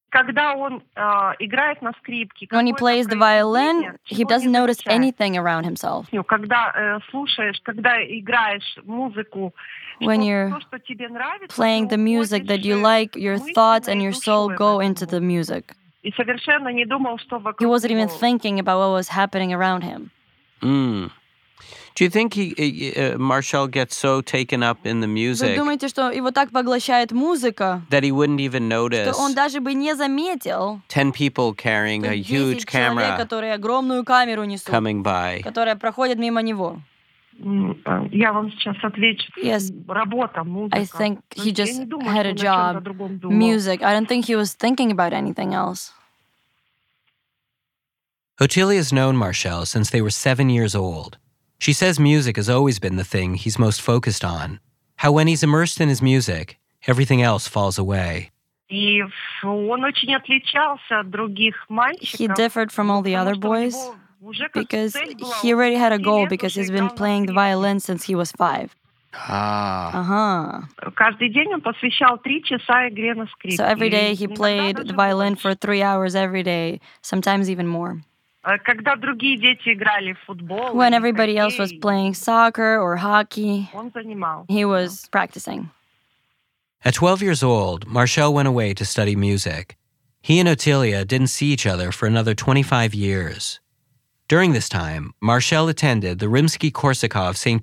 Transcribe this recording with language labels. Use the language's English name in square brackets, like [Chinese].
[Russian] Когда он играет на скрипке, [English] when he plays the violin, he doesn't notice anything around himself. [Russian] Когда слушаешь, когда играешь музыку, [English] when you're playing the music that you like, your thoughts and your soul go into the music. [Russian] И совершенно не думал, что вокруг. [English] He wasn't even thinking about what was happening around him. Mm. Do you think Marcel gets so taken up in the music? [Russian] Вы думаете, что его так поглощает музыка, [English] that he wouldn't even notice? [Russian] Что он даже бы не заметил? [English] 10 people carrying a huge camera, [Russian] которые огромную камеру несут, [English] coming by, [Russian] которая проходит мимо него. Я вам сейчас отвечу. [English] Yes. [Russian] Работа, музыка. [English] I think he just had a job. Music. I don't think he was thinking about anything else. Otilia's known Marcel since they were 7 years old. She says music has always been the thing he's most focused on. How when he's immersed in his music, everything else falls away. He differed from all the other boys because he already had a goal because he's been playing the violin since he was 5. So every day he played the violin for 3 hours every day, sometimes even more. [Russian] Когда другие дети играли в футбол, [English] when everybody else was playing soccer or hockey, [Russian] он занимал, [English] he was practicing. At 12 years old, Marcel went away to study music. He and Otilia didn't see each other for another 25 years. During this time, Marcel attended the Rimsky-Korsakov St.